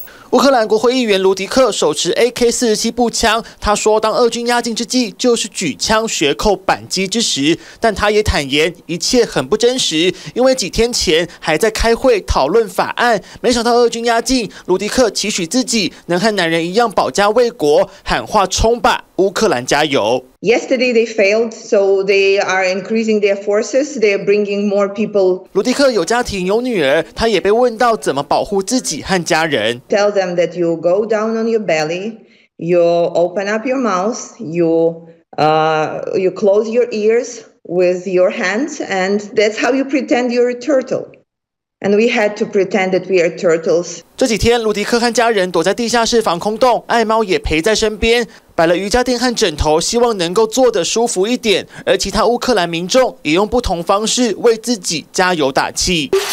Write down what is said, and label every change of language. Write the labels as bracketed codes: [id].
[zh] 乌克兰国会议员卢迪克手持 AK-47 步枪，他说当俄军压境之际，就是举枪学扣扳机之时，但他也坦言一切很不真实，因为几天前还在开会讨论法案，没想到俄军压境，卢迪克期许自己能和男人一样保家卫国，喊话冲吧乌克兰加油。 [en] Yesterday they failed, so they are increasing their forces. They are bringing more people. [zh] 卢迪克有家庭，有女儿，他也被问到怎么保护自己和家人。 [en] Tell them that you go down on your belly, you open up your mouth, you close your ears with your hands, and that's how you pretend you're a turtle. And we had to pretend that we are turtles. [zh] 这几天，卢迪克和家人躲在地下室防空洞，爱猫也陪在身边，摆了瑜伽垫和枕头，希望能够坐得舒服一点。而其他乌克兰民众也用不同方式为自己加油打气。